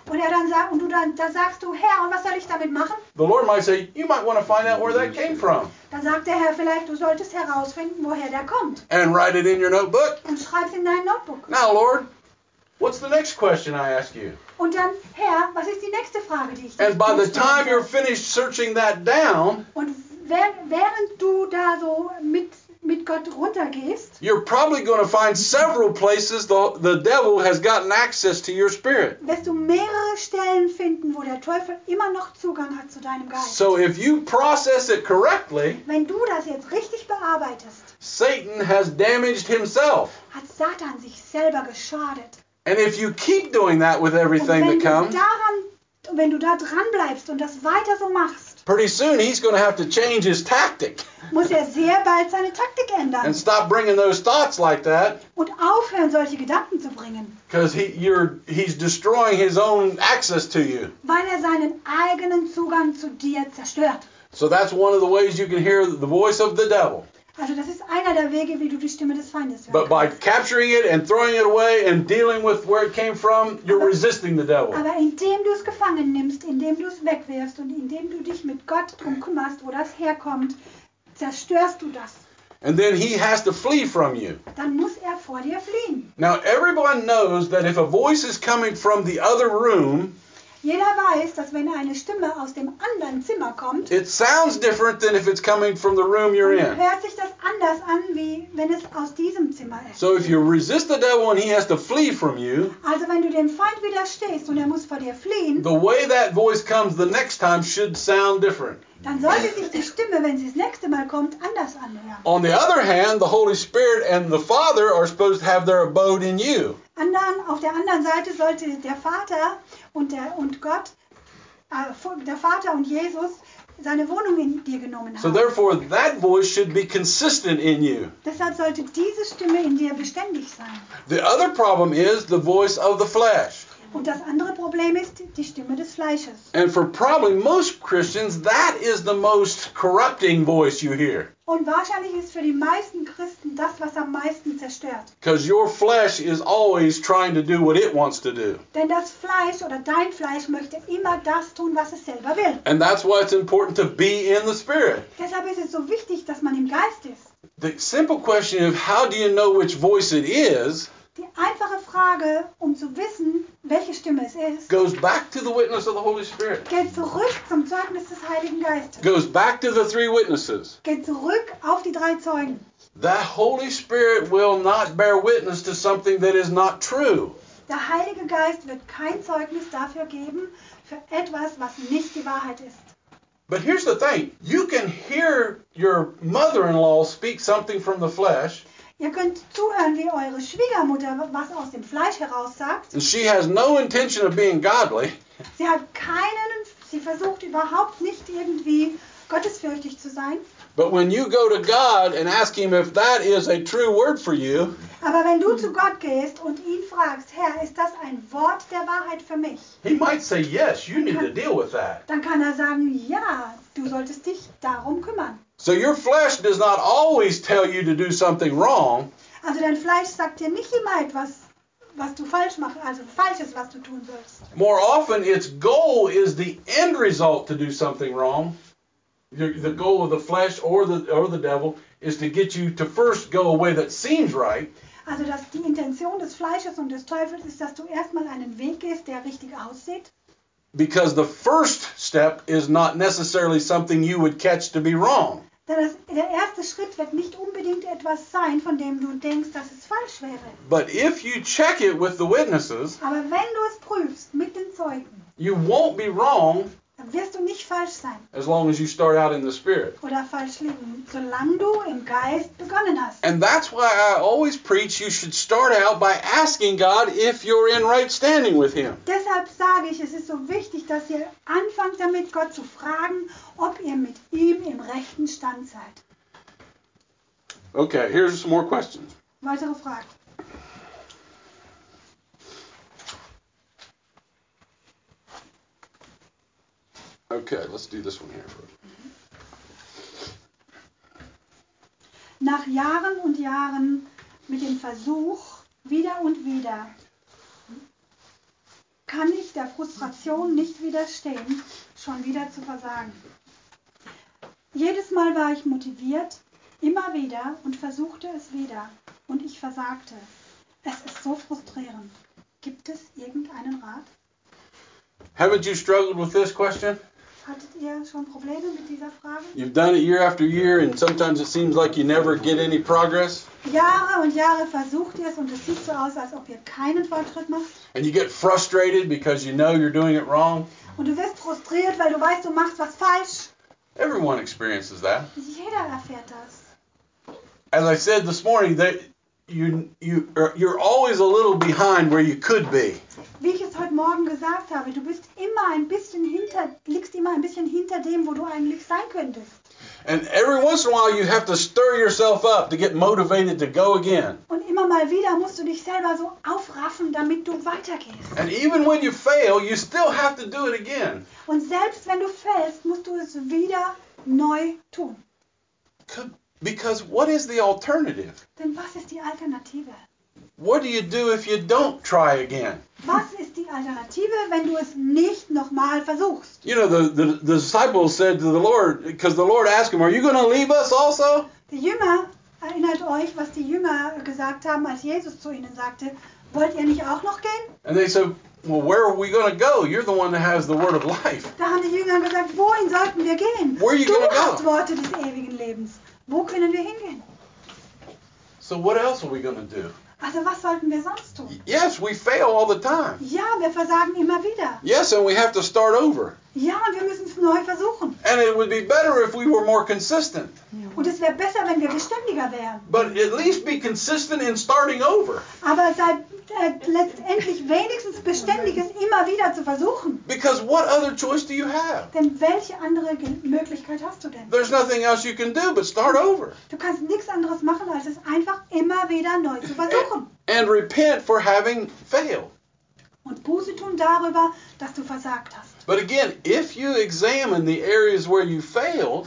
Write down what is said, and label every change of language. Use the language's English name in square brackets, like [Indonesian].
[German] Und er dann sagt, und du dann sagst du, Herr, und was soll ich damit machen? [English] The Lord might say, you might want to find out where that came from. [German] Dann sagt der Herr, vielleicht du solltest herausfinden, woher der kommt. [English] And write it in your notebook. [German] Und schreib's in dein Notebook. [English] Now, Lord, what's the next question I ask you? [German] Und dann, Herr, was ist die nächste Frage, die ich dir [English] And by the time you're finished searching that down, [German] und während du da so mit Gott runtergehst, [English] you're probably going to find several places the devil has gotten access to your spirit. [German] Wirst du mehrere Stellen finden, wo der Teufel immer noch Zugang hat zu deinem Geist. [English] So if you process it correctly, [German] wenn du das jetzt richtig bearbeitest, [English] Satan has damaged himself. [German] Hat Satan sich selber geschadet. [English] And if you keep doing that with everything [German] und [English] that comes, [German] wenn du da dran bleibst und das weiter so machst, [English] pretty soon he's going to have to change his tactic. [German] Muss er sehr bald seine Taktik ändern. [English] And stop bringing those thoughts like that. [German] Und aufhören, solche Gedanken zu bringen. [English] Because he's destroying his own access to you. [German] Weil er seinen eigenen Zugang zu dir zerstört. [English] So that's one of the ways you can hear the voice of the devil. [German] Also das ist einer der Wege, wie du die Stimme des Feindes hörst. [English] But by capturing it and throwing it away and dealing with where it came from, you're resisting the devil. [German] Aber indem du es gefangen nimmst, indem du es wegwirfst und indem du dich mit Gott drum kümmerst, wo das herkommt, zerstörst du das. [English] And then he has to flee from you. [German] Dann muss er vor dir fliehen. [English] Now everyone knows that if a voice is coming from the other room, [German] jeder weiß, dass wenn eine Stimme aus dem anderen Zimmer kommt, [English] it sounds different than if it's coming from the room you're in. [German] Hört sich das anders an, wie wenn es aus diesem Zimmer ist. [English] So if you resist the devil and he has to flee from you, [German] also wenn du dem Feind widerstehst und er muss vor dir fliehen, [English] the way that voice comes the next time should sound different. [German] Dann sollte sich die Stimme, wenn sie das nächste Mal kommt, anders anhören. [English] On the other hand, the Holy Spirit and the Father are supposed to have their abode in you. [German] Und dann, auf der anderen Seite sollte der Vater und der und Gott, der Vater und Jesus seine Wohnung in dir genommen haben. [English] So therefore that voice should be consistent in you. [German] Deshalb sollte diese Stimme in dir beständig sein. [English] The other problem is the voice of the flesh. [German] Und das andere Problem ist die Stimme des Fleisches. [English] And for probably most Christians, that is the most corrupting voice you hear. [German] Und wahrscheinlich ist für die meisten Christen das, was am meisten zerstört. [English] Because your flesh is always trying to do what it wants to do. [German] Denn das Fleisch oder dein Fleisch möchte immer das tun, was es selber will. [English] And that's why it's important to be in the Spirit. [German] Deshalb ist es so wichtig, dass man im Geist ist. [English] The simple question of how do you know which voice it is, [German] die einfache Frage, um zu wissen, welche Stimme es ist, [English] goes back to the witness of the Holy Spirit. [German] Geht zurück zum Zeugnis des Heiligen Geistes. [English] Goes back to the three witnesses. [German] Geht zurück auf die drei Zeugen. [English] The Holy Spirit will not bear witness to something that is not true. [German] Der Heilige Geist wird kein Zeugnis dafür geben, für etwas, was nicht die Wahrheit ist. [English] But here's the thing. You can hear your mother-in-law speak something from the flesh. [German] Ihr könnt zuhören, wie eure Schwiegermutter was aus dem Fleisch heraus sagt. [English] And she has no intention of being godly. [German] Sie hat keinen, sie versucht überhaupt nicht irgendwie gottesfürchtig zu sein. [English] But when you go to God and ask him if that is a true word for you, [German] aber wenn du zu Gott gehst und ihn fragst, Herr, ist das ein Wort der Wahrheit für mich? [English] He might say yes, you need to deal with that. [German] Dann kann er sagen, ja, du solltest dich darum kümmern. [English] So your flesh does not always tell you to do something wrong. [German] Also dein Fleisch sagt dir nicht immer etwas, was du falsch machst, also falsches, was du tun sollst. [English] More often its goal is the end result to do something wrong. The goal of the flesh or the devil is to get you to first go a way that seems right. [German] Also dass die Intention des Fleisches und des Teufels ist, dass du erstmal einen Weg gehst, der richtig aussieht. [English] Because the first step is not necessarily something you would catch to be wrong. [German] Der erste Schritt wird nicht unbedingt etwas sein, von dem du denkst, dass es falsch wäre. [English] But if you check it with the witnesses, [German] aber wenn du es prüfst mit den Zeugen, [English] you won't be wrong, [German] dann wirst du nicht falsch sein. [English] As long as you start out in the Spirit. [German] Oder falsch liegen, solange du im Geist begonnen hast. [English] And that's why I always preach you should start out by asking God if you're in right standing with him. [German] Deshalb sage ich, es ist so wichtig, dass ihr anfangt damit, Gott zu fragen, ob ihr mit ihm im rechten Stand seid. [English] Okay, here's some more questions. [German] Weitere Fragen. [English] Okay, let's do this one here. [German] Nach Jahren und Jahren mit dem Versuch, wieder und wieder, kann ich der Frustration nicht widerstehen, schon wieder zu versagen. Jedes Mal war ich motiviert, immer wieder und versuchte es wieder und ich versagte. Es ist so frustrierend. Gibt es irgendeinen Rat? [English] Haven't you struggled with this question? [German] Hattet ihr schon Probleme mit dieser Frage? [English] You've done it year after year and sometimes it seems like you never get any progress. [German] Jahre und Jahre versucht ihr es und es sieht so aus, als ob ihr keinen Fortschritt macht. [English] And you get frustrated because you know you're doing it wrong. [German] Und du wirst frustriert, weil du weißt, du machst was falsch. [English] Everyone experiences that. [German] Jeder erfährt das. [English] As I said this morning, that you're always a little behind where you could be. [German] Wie ich es heute Morgen gesagt habe, du bist immer ein bisschen hinter, liegst immer ein bisschen hinter dem, wo du eigentlich sein könntest. [English] And every once in a while you have to stir yourself up to get motivated to go again. [German] Und immer mal wieder musst du dich selber so aufraffen, damit du weitergehst. [English] And even when you fail, you still have to do it again. [German] Und selbst wenn du fällst, musst du es wieder neu tun. [English] Because what is the alternative? [German] Denn was ist die Alternative? [English] What do you do if you don't try again? [German] Was ist die Alternative, wenn du es nicht nochmal versuchst? [English] You know, the disciples said to the Lord, because the Lord asked him, are you going to leave us also? [German] Die Jünger, erinnert euch, was die Jünger gesagt haben, als Jesus zu ihnen sagte, wollt ihr nicht auch noch gehen? [English] And they said, well, where are we going to go? You're the one that has the word of life. [German] Da haben die Jünger gesagt, wohin sollten wir gehen? [English] Where are you going to go? [German] Du hast Worte des ewigen Lebens. Wo können wir hingehen? [English] So what else are we going to do? [German] Also, was sollten wir sonst tun? [English] Yes, we fail all the time. [German] Ja, wir versagen immer wieder. [English] Yes, and we have to start over. [German] Ja, und wir müssen es neu versuchen. [English] And it would be better if we were more consistent. [German] Ja. Und es wäre besser, wenn wir beständiger wären. [English] But at least be consistent in starting over. [German] Aber sei letztendlich wenigstens beständig, es immer wieder zu versuchen. [English] Because what other choice do you have? [German] Denn welche andere Möglichkeit hast du denn? [English] There's nothing else you can do but start over. [German] Du kannst nichts anderes machen, als es einfach immer wieder neu zu versuchen. [English] And repent for having failed. [German] Und Buße tun darüber, dass du versagt hast. [English] But again, if you examine the areas where you failed,